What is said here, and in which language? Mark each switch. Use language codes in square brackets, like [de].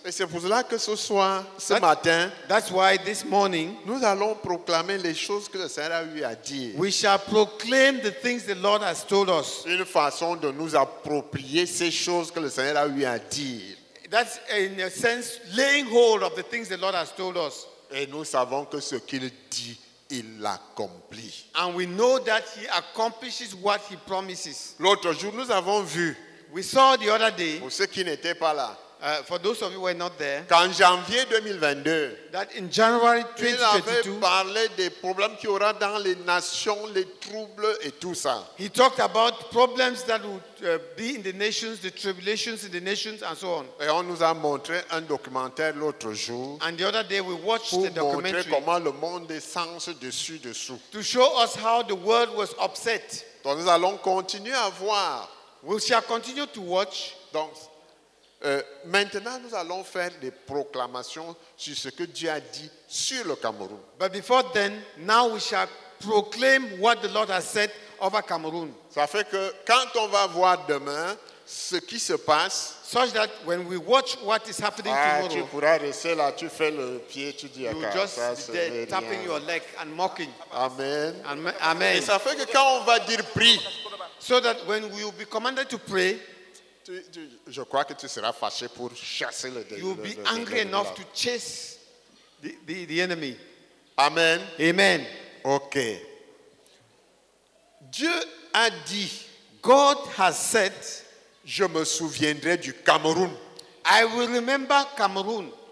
[fr] Et c'est pour cela que ce soir, ce matin, [en] that's why this morning, [fr] nous allons proclamer les choses que le Seigneur a eu à dire. [en] We shall proclaim the things the Lord has told us. [fr] Une façon de nous approprier ces choses que le Seigneur a eu à dire. [en] That's in a sense laying hold of the things the Lord has told us. [fr] Et nous savons que ce qu'il dit, il l'accomplit. [en] And we know that he accomplishes what he promises. [fr] L'autre jour, nous avons vu. [en] We saw the other day. [fr] Pour ceux qui n'étaient pas là. [en] For those of you who were not there. [fr] Qu'en janvier 2022. [en] That in January 2022. [fr] Il avait parlé des problèmes qu'il y aura dans les nations, les troubles et tout ça. [en] He talked about problems that would be in the nations, the tribulations in the nations and so on. [fr] Et on nous a montré un documentaire l'autre jour. [en] And the other day we watched [fr] pour [en] the documentary. [fr] Pour montrer comment le monde est sens dessus dessous. [en] To show us how the world was upset. [fr] Donc nous allons continuer à voir. [en] We shall continue to watch. [fr] Donc, maintenant, nous allons faire des proclamations sur ce que Dieu a dit sur le Cameroun. [en] But before then, now we shall proclaim what the Lord has said over Cameroon. [fr] Ça fait que quand on va voir demain, ce qui se passe, [en] such that when we watch what is happening tomorrow, [fr] tu pourras rester là, tu fais le pied, tu dis à [en] you just be tapping your leg and mocking. Amen. Amen. [fr] Et ça fait que quand on va dire prie, [en] so that when we will be commanded to pray, [fr] je crois que tu seras fâché pour chasser le démon. [en] You will be angry enough to chase the enemy. Amen. Amen. OK. [fr] Dieu a dit, [en] God has said, [fr] je me souviendrai du Cameroun. [en] I will remember Cameroon.